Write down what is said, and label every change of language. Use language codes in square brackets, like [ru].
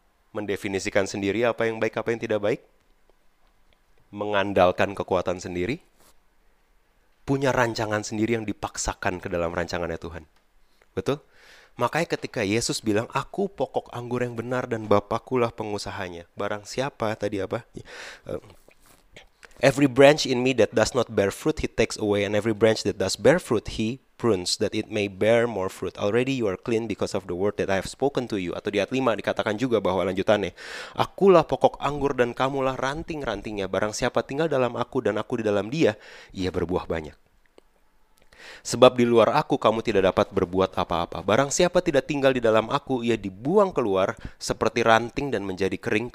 [id] Mendefinisikan sendiri apa yang baik, apa yang tidak baik? Mengandalkan kekuatan sendiri? Punya rancangan sendiri yang dipaksakan ke dalam rancangannya Tuhan? Betul? Makanya ketika Yesus bilang, aku pokok anggur yang benar dan Bapakulah pengusahanya. Barang siapa tadi apa? [en] Every branch in me that does not bear fruit, he takes away. And every branch that does bear fruit, he prunes that it may bear more fruit. Already you are clean because of the word that I have spoken to you. [id] Atau di ayat 5 dikatakan juga bahwa lanjutannya. Akulah pokok anggur dan kamulah ranting-rantingnya. Barang siapa tinggal dalam aku dan aku di dalam dia, ia berbuah banyak. Sebab di luar aku kamu tidak dapat berbuat apa-apa. Barang siapa tidak tinggal di dalam aku, ia dibuang keluar seperti ranting dan menjadi kering.